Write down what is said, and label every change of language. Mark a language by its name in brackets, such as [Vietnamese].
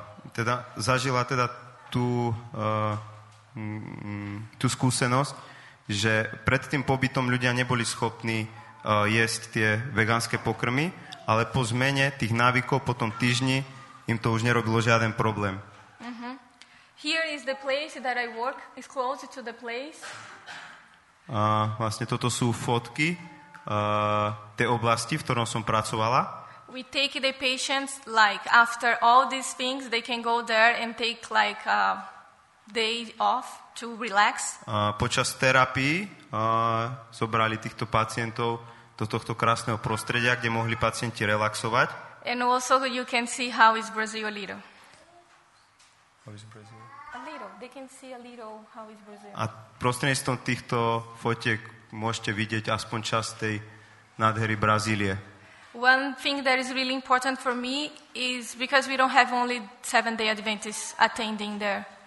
[Slovak] Teda zažila teda tú skúsenosť, že pred tým pobytom ľudia neboli schopní jesť tie vegánske pokrmy, ale po zmene tých návykov po tom týždni im to už nerobilo žiaden problém. [English] Mm-hmm. Here is the place that I work. It's close to the place. [Slovak] A vlastne toto sú fotky tej oblasti, v ktorom som pracovala. [English] We take the patients like after all these things they can go there and take like a day off to relax. [Slovak] Počas terapii zobrali týchto pacientov do tohto krásneho prostredia, kde mohli pacienti relaxovať. [English] And also you can see how is Brazil a little. How is Brazil? A little. They can see a little how is Brazil. [Slovak] A prostredníctvom týchto fotiek môžete vidieť aspoň čas tej nádhery Brazílie. [English] One thing that is really important for me is because we don't have only Seventh-day Adventists attending there.